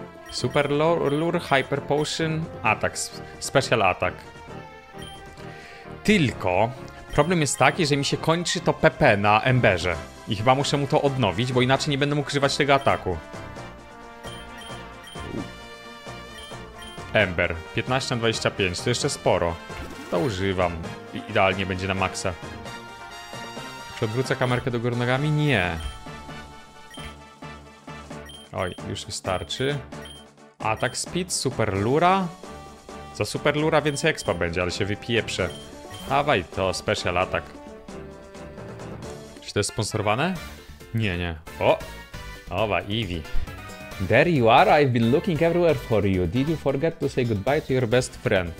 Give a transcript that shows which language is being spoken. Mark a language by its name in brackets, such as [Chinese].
[English] Super Lure, Hyper Potion, Attack, Special Attack. [Polish] Tylko problem jest taki, że mi się kończy to PP na Emberze. I chyba muszę mu to odnowić, bo inaczej nie będę mógł używać tego ataku. Ember, 15-25, to jeszcze sporo. To używam. Idealnie będzie na maksa. Czy odwrócę kamerkę do góry nogami? Nie. Oj, już wystarczy. Attack speed, super lura. Za super lura więcej expa będzie, ale się wypieprzę. Dawaj to, special attack. Czy to jest sponsorowane? Nie, nie. O! Owa, Eevee. [English] There you are, I've been looking everywhere for you. Did you forget to say goodbye to your best friend?